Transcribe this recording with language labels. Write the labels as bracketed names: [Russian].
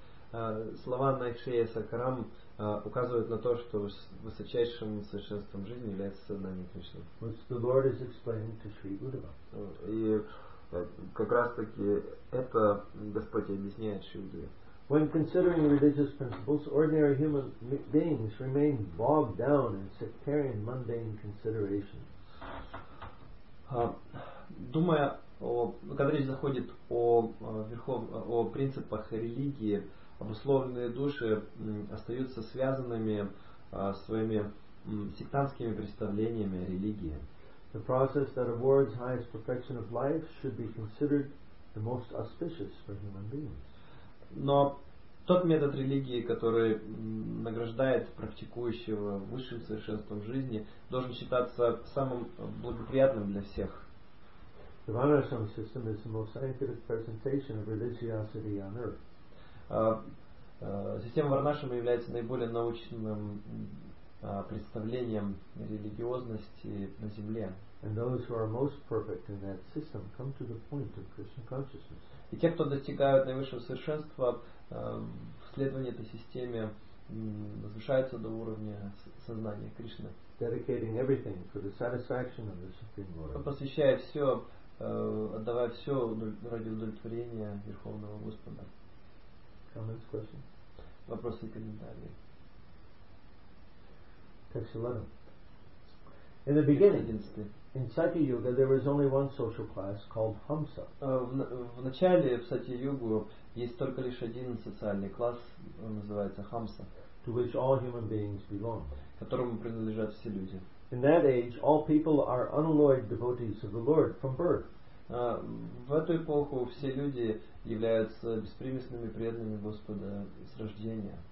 [Russian] слова Найкшея Сакарам указывают на то, что высочайшим совершенством жизни является сознание Кришны. [English] Which the Lord is explaining to Sri Uddhava. [Russian] И как раз таки это Господь объясняет Шри Удве. [English] When considering religious principles, ordinary human beings remain bogged down in sectarian mundane considerations. [Russian] Думая о, когда речь заходит о о принципах религии, обусловленные души остаются связанными своими сектантскими представлениями о религии. [English] The process that awards highest perfection of life should be considered the most auspicious for human beings. [Russian] Но тот метод религии, который награждает практикующего высшим совершенством жизни, должен считаться самым благоприятным для всех. [English] The Vanarsam system is the most scientific presentation of religiosity on earth. [Russian] Система Варнашрама является наиболее научным представлением религиозности на Земле. [English] And those who are most perfect in that system come to the point of Krishna consciousness. [Russian] И те, кто достигают наивысшего совершенства в следовании этой системе, возвышаются до уровня сознания Кришны. [English] Dedicating everything for the satisfaction of the Supreme Lord. [Russian] Посвящая все, отдавая все ради удовлетворения Верховного Господа. [English] Comments, questions? [Russian] Вопросы и комментарии. [English] Text 11. In the beginning, in Satya Yuga, there was only one social class called Hamsa. [Russian] В начале в Сати Югу есть только лишь один социальный класс, он называется Хамса, [English] to which all human beings belong. [Russian] Которому принадлежат все люди. [English] In that age, all people are unalloyed devotees of the Lord from birth. [Russian] В эту эпоху все люди являются беспримесными преданными Господа с рождения.